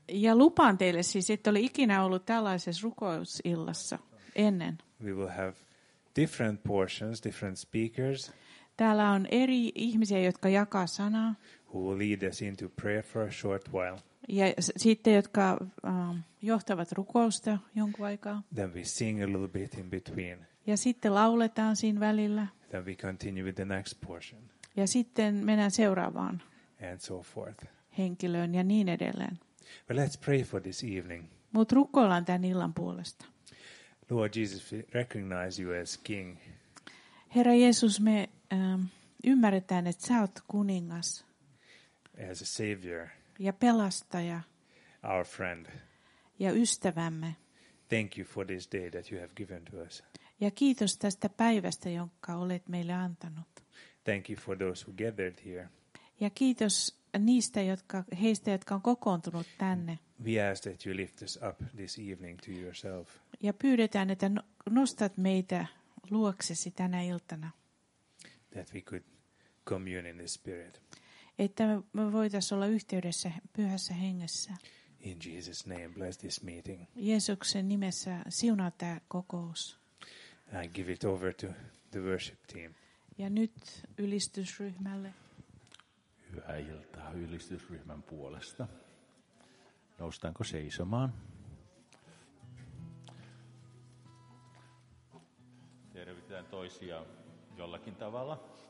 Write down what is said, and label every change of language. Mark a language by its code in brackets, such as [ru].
[fi] Ja lupaan teille, siis ette ole ikinä ollut tällaisessa rukousillassa ennen. [en] We will have different portions, different speakers. [fi] Täällä on eri ihmisiä, jotka jakaa sanaa. [en] Who will lead us into prayer for a short while. [fi] Ja sitten, jotka johtavat rukousta jonkun aikaa. [en] Then we sing a little bit in between. [fi] Ja sitten lauletaan siinä välillä. [en] Then we continue with the next portion. [fi] Ja sitten mennään seuraavaan. [en] And so forth. [fi] Henkilöön ja niin edelleen. [en] But let's pray for this evening. [fi] Mut rukoillaan tämän illan puolesta. [en] Lord Jesus, we recognize you as king. [fi] Herra Jeesus, me ymmärretään, että sä oot kuningas. [en] As a savior. [fi] Ja pelastaja. [en] Our friend. [fi] Ja ystävämme. [en] Thank you for this day that you have given to us. [fi] Ja kiitos tästä päivästä, jonka olet meille antanut. [en] Thank you for those who gathered here. [fi] Ja kiitos niistä, jotka on kokoontunut tänne. [en] We ask that you lift us up this evening to yourself. [fi] Ja pyydetään, että nostat meitä luoksesi tänä iltana. [en] That we could commune in the spirit. [fi] Että me voitaisiin olla yhteydessä pyhässä hengessä. [en] In Jesus' name, bless this meeting. [fi] Jeesuksen nimessä siunaa tämä kokous. [en] I give it over to the worship team. [fi] Ja nyt ylistysryhmälle. Hyvää iltaa ylistysryhmän puolesta. Noustaanko seisomaan? Tervitään toisia jollakin tavalla.